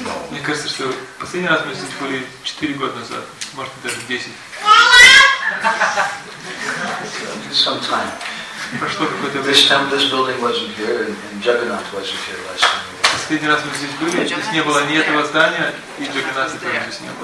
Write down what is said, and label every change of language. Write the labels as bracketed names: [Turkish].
[Russian] Мне кажется, что последний раз мы здесь были 4 года назад, может даже 10. [English] Some time. [Russian] Прошло какое-то время. [English] This time this building wasn't here and Jagannath wasn't here last time. [Russian] Последний раз мы здесь были, здесь не было ни этого здания, и Jagannath тоже здесь не было.